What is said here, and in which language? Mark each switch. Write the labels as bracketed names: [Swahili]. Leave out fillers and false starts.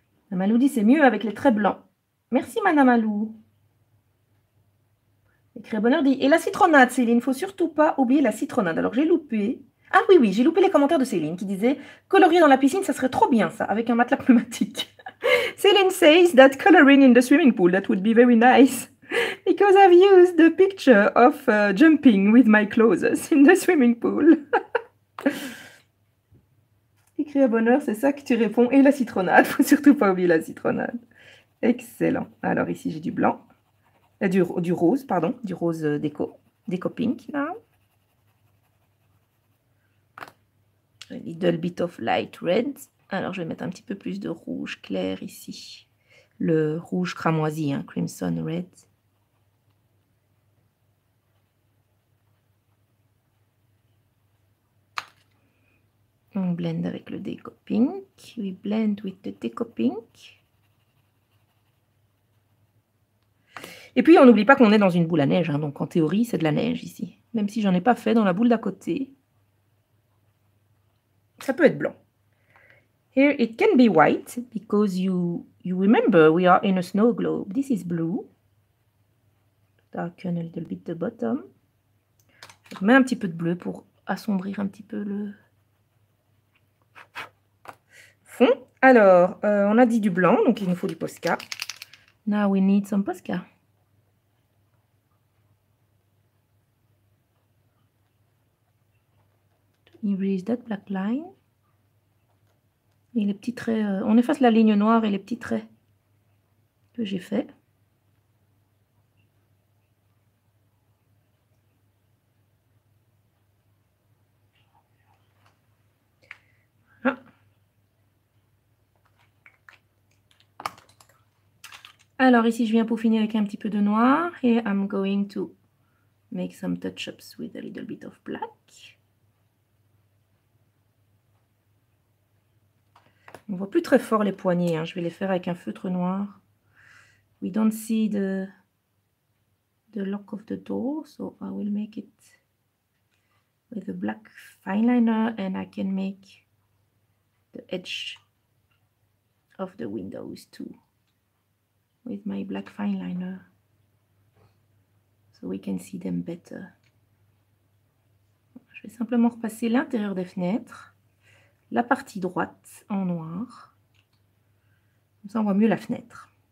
[French] Manamalou dit c'est mieux avec les traits blancs. Merci Manamalou. Et Créa Bonheur dit, et la citronnade Céline, faut surtout pas oublier la citronnade. Alors j'ai loupé. Ah oui, j'ai loupé les commentaires de Céline qui disait colorier dans la piscine, ça serait trop bien ça, avec un matelas pneumatique. [English] Céline says that coloring in the swimming pool, that would be very nice. Because I've used the picture of jumping with my clothes in the swimming pool. [French] Créa Bonheur, c'est ça que tu réponds. Et la citronnade, faut surtout pas oublier la citronnade. Excellent. Alors ici, j'ai du blanc. Du rose, pardon. Du rose déco. Déco pink, là. [English] A little bit of light red. [French] Alors, je vais mettre un petit peu plus de rouge clair ici. Le rouge cramoisi, hein, crimson red. On blend avec le déco pink. [English] We blend with the déco pink. [French] Et puis, on n'oublie pas qu'on est dans une boule à neige. Hein, donc, en théorie, c'est de la neige ici. Même si j'en ai pas fait dans la boule d'à côté. Ça peut être blanc. [English] Here, it can be white because you remember we are in a snow globe. This is blue. Darken a little bit the bottom. [French] Je remets un petit peu de bleu pour assombrir un petit peu le... fond. Alors, on a dit du blanc, donc il nous faut du Posca. [English] Now we need some Posca. Erase that black line. [French] Et les petits traits, on efface la ligne noire et les petits traits que j'ai fait. Alors ici, je viens peaufiner avec un petit peu de noir et [English] I'm going to make some touch-ups with a little bit of black. [French] On ne voit plus très fort les poignets, hein. Je vais les faire avec un feutre noir. [English] We don't see the lock of the door, so I will make it with a black fineliner and I can make the edge of the windows too. With my black fineliner, so we can see them better. [French] Je vais simplement repasser l'intérieur des fenêtres, la partie droite en noir. Comme ça, on voit mieux la fenêtre.